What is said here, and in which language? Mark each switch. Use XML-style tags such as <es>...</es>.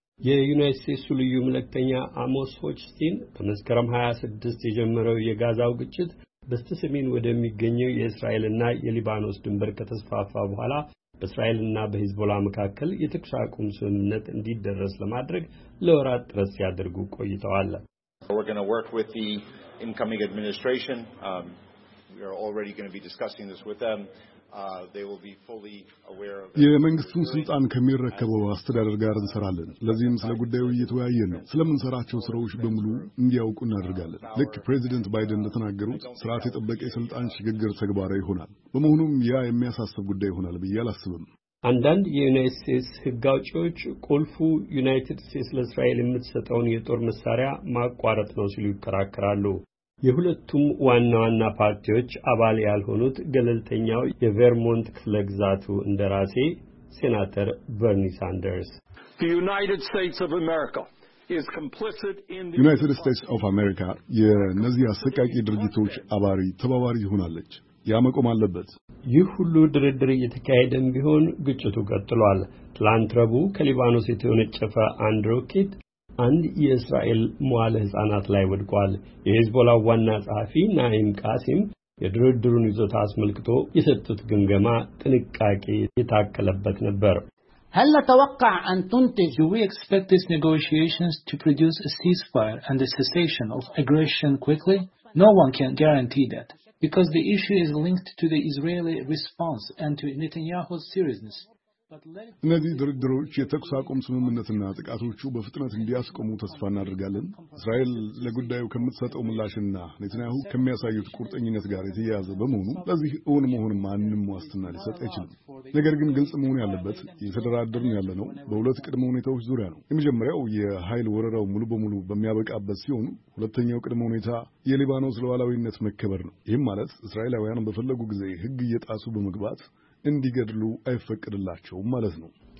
<am>የዩናይትድ ስቴትስ ልዩ መልእክተኛ አሞስ ሆችስቲን በመስከረም 26 የጀመረው የጋዛው ግጭት በስተሰሜን ወደሚገኘው የእስራኤልና የሊባኖስ ድንበር ከተስፋፋ በኋላ በእስራኤልና በሂዝቦላ መካከል የተኩስ አቁም ስምምነት እንዲደረስ ለማድረግ ለወራት ጥረት ሲያደርጉ ቆይተዋል።</am> <en>We're going to work with the incoming administration. We are already going to be discussing this with them. They will be fully aware of</en> <am>the የመንግስቱ ስልጣን ከሚረከበው አስተዳደር ጋር እንሰራለን። ለዚህም ስለ ጉዳዩ እየተወያየን ነው። ስለምንሰራቸው ስራዎች በሙሉ እንዲያውቁ እናደርጋለን። ልክ ፕሬዚደንት ባይደን እንደተናገሩት ስርዓት የጠበቀ የስልጣን ሽግግር ተግባራዊ ይሆናል። በመሆኑም ያ የሚያሳስብ ጉዳይ ይሆናል ብዬ አላስብም። አንዳንድ የዩናይትድ ስቴትስ ህግ አውጪዎች ቁልፉ ዩናይትድ ስቴትስ ለእስራኤል የምትሰጠውን የጦር መሳሪያ ማቋረጥ ነው ሲሉ ይከራከራሉ። የሁለቱም ዋና ዋና ፓርቲዎች አባል ያልሆኑት ገለልተኛው የቨርሞንት ክፍለ ግዛቱ እንደራሴ ሴናተር በርኒ ሳንደርስ</am> <en>The United States of America is complicit in the</en> <am>United States of America የነዚህ አሰቃቂ ድርጊቶች አባሪ ተባባሪ ይሆናለች። ያ መቆም አለበት። ይህ ሁሉ ድርድር እየተካሄደም ቢሆን ግጭቱ ቀጥሏል። ትላንት ረቡዕ ከሊባኖስ የተወነጨፈ አንድ ሮኬት አንድ የእስራኤል መዋለ ሕፃናት ላይ ወድቋል። የሂዝቦላ ዋና ጸሐፊ ናይም ቃሲም የድርድሩን ይዞታ አስመልክቶ የሰጡት ግምገማ ጥንቃቄ የታከለበት ነበር።</am> <ar>هل نتوقع ان تنتج</ar> <en>we expect these negotiations to produce a ceasefire and the cessation of aggression quickly? No one can guarantee that because the issue is linked to the Israeli response and to Netanyahu's seriousness.</en> <am>እነዚህ ድርድሮች የተኩስ አቁም ስምምነትና ጥቃቶቹ በፍጥነት እንዲያስቆሙ ተስፋ እናደርጋለን። እስራኤል ለጉዳዩ ከምትሰጠው ምላሽና ኔታንያሁ ከሚያሳዩት ቁርጠኝነት ጋር የተያያዘ በመሆኑ ለዚህ እውን መሆን ማንም ዋስትና ሊሰጥ አይችልም። ነገር ግን ግልጽ መሆን ያለበት የተደራደርን ያለነው በሁለት ቅድመ ሁኔታዎች ዙሪያ ነው። የመጀመሪያው የኃይል ወረራው ሙሉ በሙሉ በሚያበቃበት ሲሆን፣ ሁለተኛው ቅድመ ሁኔታ የሊባኖስ ሉዓላዊነት መከበር ነው። ይህም ማለት እስራኤላውያን በፈለጉ ጊዜ ሕግ እየጣሱ በመግባት እንዲገድሉ አይፈቅድላቸውም ማለት ነው።</am>